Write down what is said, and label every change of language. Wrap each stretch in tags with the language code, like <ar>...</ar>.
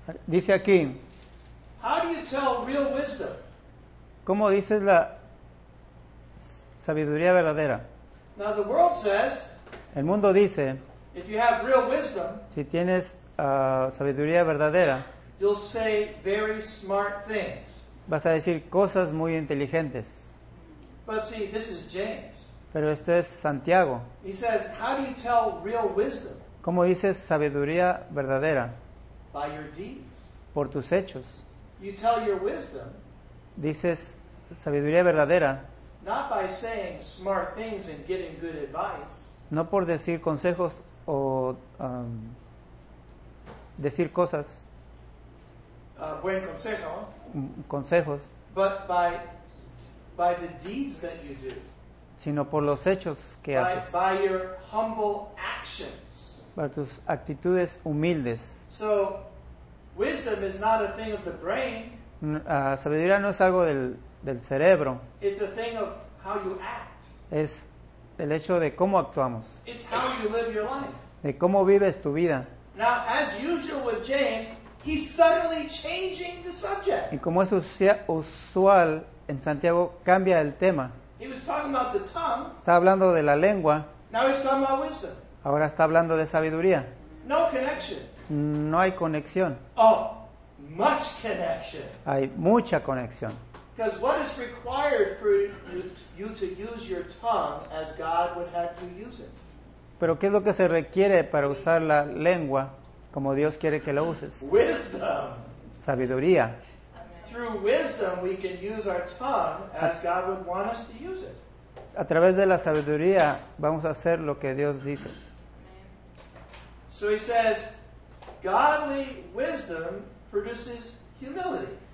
<es>dice aquí,</es> <en>how do you tell real wisdom?</en> <es>¿Cómo dices la sabiduría verdadera?</es> <en>Now the world says,</en> <es>el mundo dice,</es> <en>if you have real wisdom,</en> <es>si tienes sabiduría verdadera,</es> <en>you'll say very smart things.</en> <es>Vas a decir cosas muy inteligentes.</es> <en>But see, this is James.</en> <es>Pero este es Santiago.</es> <en>He says, how do you tell real wisdom?</en> <es>¿Cómo dices sabiduría verdadera?</es> <en>By your deeds.</en> <es>Por tus hechos.</es> <en>You tell your wisdom.</en> <es>Dices sabiduría verdadera.</es> <en>Not by saying smart things and getting good advice.</en> <es>No por decir consejos o decir cosas. Buen consejo. Consejos.</es> <en>But by the deeds that you do.</en> <es>Sino por los hechos que haces.</es> <en>By your humble actions.</en> <es>Por tus actitudes humildes.</es> <en>So, wisdom is not a thing of the brain.</en> <es>Sabiduría no es algo del cerebro.</es> <en>It's a thing of how you act.</en> <es>Es el hecho de cómo actuamos.</es> <en>It's how you live your life.</en> <es>De cómo vives tu vida.</es> <en>Now, as usual with James, he's suddenly changing the subject.</en> <es>Y como es usual en Santiago, cambia el tema.</es> <en>He was talking about the tongue.</en> <es>Está hablando de la lengua.</es> <en>Now he's talking about wisdom.</en> <es>Ahora está hablando de sabiduría.</es> <en>No connection.</en> <es>No hay conexión.</es> <en>Oh. Much connection.</en> <es>Hay mucha conexión.</es> <en>Because what is required for you to use your tongue as God would have you use it?</en> <es>Pero ¿qué es lo que se requiere para usar la lengua como Dios quiere que la uses?</es> <en>Wisdom.</en> <es>Sabiduría.</es> <en>through wisdom we can use our tongue as God would want us to use it.</en> <es>A través de la sabiduría vamos a hacer lo que Dios dice.</es> <en>So he says, godly wisdom produces humility.</en>